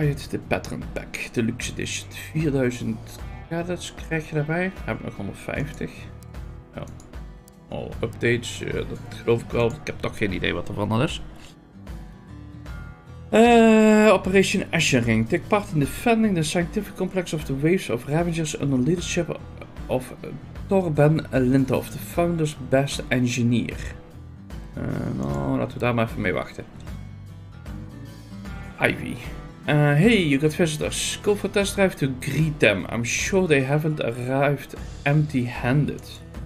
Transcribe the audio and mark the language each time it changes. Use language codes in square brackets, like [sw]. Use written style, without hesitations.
[nl] De Patron Pack, de Luxe Edition. 4000 credits krijg je daarbij. Heb ik nog 150. Ja. Al updates, dat geloof ik wel. Ik heb toch geen idee wat er van dat is. [en] Operation Ashering. Take part in defending the scientific complex of the Waves of Ravengers under leadership of Torben Lindhoff, the founder's best engineer. [nl] Nou, laten we daar maar even mee wachten. [en] Ivy. Hey, you got visitors. Go for test drive to greet them. I'm sure they haven't arrived empty-handed.